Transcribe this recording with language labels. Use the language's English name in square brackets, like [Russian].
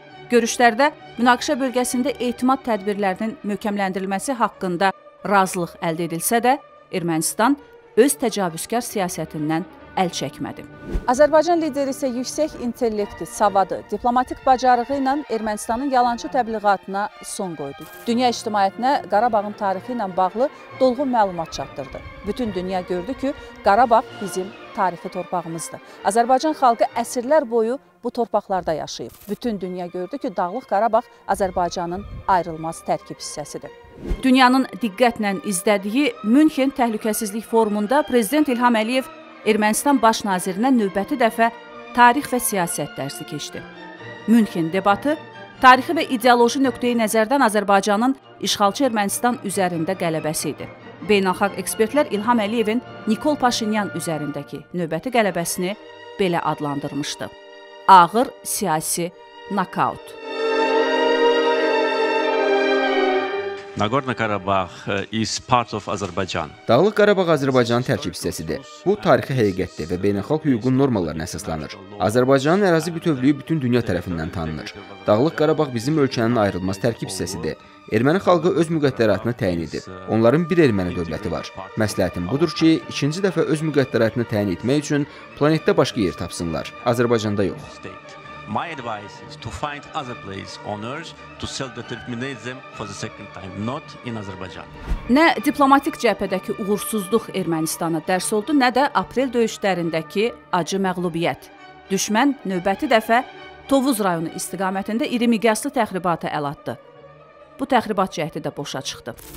[Azerbaijani] Görüşlərdə münaqişə bölgəsində etimad tədbirlərinin möhkəmləndirilməsi haqqında razılıq əldə edilsə də, Ermənistan öz təcavüzkar siyasətindən əl çəkmədi. Azərbaycan lideri isə yüksək intellekti, savadı, diplomatik bacarığı ilə Ermənistanın yalancı təbliğatına son qoydu. Dünya ictimaiyyətinə Qarabağın tarixi ilə bağlı dolğun məlumat çatdırdı. Bütün dünya gördü ki, Qarabağ bizim tarixi torpağımızdır. Azərbaycan xalqı əsrlər boyu bu torpaqlarda yaşayıb. Bütün dünya gördü ki, Dağlıq Qarabağ Azərbaycanın ayrılmaz tərkib hissəsidir. Dünyanın diqqətlə izlədiyi Münhen Təhlükəsizlik Forumunda Prezident İlham Əliyev Ermənistan baş nazirinə növbəti dəfə tarix və siyasət dərsi keçdi. Münhen debatı tarixi və ideoloji nöqteyi nəzərdən Azərbaycanın işğalçı Ermənistan üzərində qələbəsi idi. Beynəlxalq ekspertlər İlham Əliyevin Nikol Paşinyan üzərindəki növbəti qələbəsini belə adlandırmışdı. Ağır siyasi nokaut. [English] Nagorno-Karabakh is part of Azerbaijan. [Azerbaijani] Dağlıq Qarabağ Azərbaycanın tərkib hissəsidir. Bu tarixi həqiqətdir və beynəlxalq hüququn normalarına əsaslanır. Azərbaycanın ərazi bütövlüyü bütün dünya tərəfindən tanınır. Dağlıq Qarabağ bizim ölkənin ayrılmaz tərkib hissəsidir. Erməni xalqı öz müqəddəratını təyin edib. Onların bir erməni dövləti var. Məsləhətim budur ki, ikinci dəfə öz müqəddəratını təyin etmək üçün planetdə başqa yer tapsınlar. Azərbaycanda yox. [English] My advice is to find other place on earth to self-determinate them for the second time, not in Azerbaijan. [Azerbaijani] Nə diplomatik cəbhədəki uğursuzluq Ermənistana dərs oldu, nə də aprel döyüşlərindəki acı məğlubiyyət. Düşmən növbəti dəfə Tovuz rayonu istiqamətində iri miqyaslı təxribata əl atdı. Bu təxribat cəhdi də boşa çıxdı.